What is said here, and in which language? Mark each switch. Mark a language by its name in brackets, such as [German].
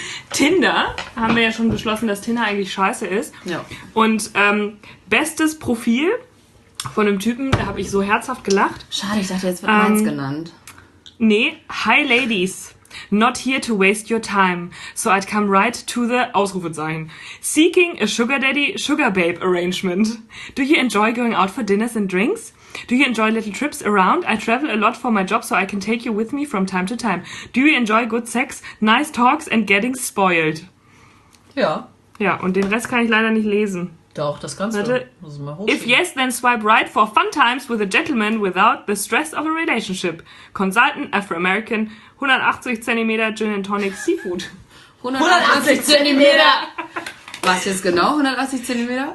[German] Tinder, haben wir ja schon beschlossen, dass Tinder eigentlich scheiße ist. Ja. Und bestes Profil von einem Typen, da habe ich so herzhaft gelacht. Schade, ich dachte, jetzt wird meins genannt. Nee, [English] Hi Ladies. Not here to waste your time, so I'd come right to the Ausrufezeichen. Seeking a sugar daddy, sugar babe arrangement. Do you enjoy going out for dinners and drinks? Do you enjoy little trips around? I travel a lot for my job, so I can take you with me from time to time. Do you enjoy good sex, nice talks and getting spoiled? [German] Ja. Ja, und den Rest kann ich leider nicht lesen. Doch, das kannst Warte. Du. Muss ich mal hochziehen. [English] If yes, then swipe right for fun times with a gentleman without the stress of a relationship. Consultant, Afro-American, 180 cm Gin and Tonic Seafood. [German] 180 cm! Was jetzt genau 180 cm?